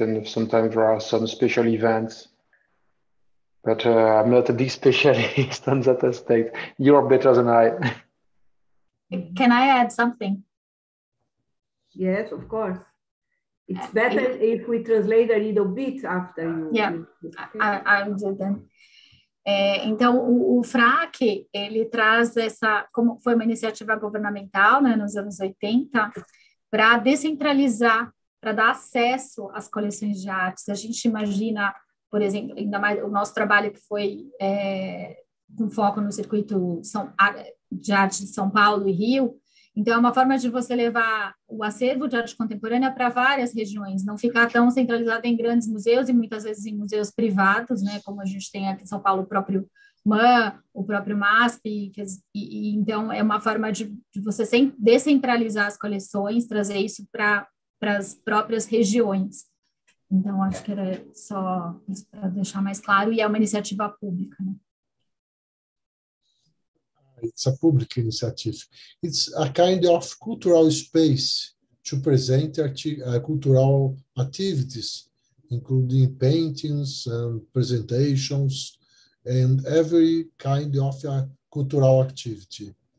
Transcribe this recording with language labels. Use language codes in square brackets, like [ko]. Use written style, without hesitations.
[en] And sometimes there are some special events. But I'm not a big specialist on that aspect. You're better than I. Can I add something? Yes, of course. It's better if we translate a little bit after you. Yeah, I'll do that. [pt] Então, o FRAC, ele traz essa, como foi uma iniciativa governamental, né, nos anos 80, para descentralizar, para dar acesso às coleções de artes. A gente imagina, por exemplo, ainda mais o nosso trabalho que foi com foco no circuito de arte de São Paulo e Rio. Então, é uma forma de você levar o acervo de arte contemporânea para várias regiões, não ficar tão centralizado em grandes museus e muitas vezes em museus privados, né, como a gente tem aqui em São Paulo, o próprio MAM, o próprio MASP. Então, é uma forma de você descentralizar as coleções, trazer isso para as próprias regiões. Então, acho que era só isso para deixar mais claro. E é uma iniciativa pública, né? [en] It's a public initiative. It's a kind of cultural space to present cultural activities, including paintings and presentations and every kind of cultural activity.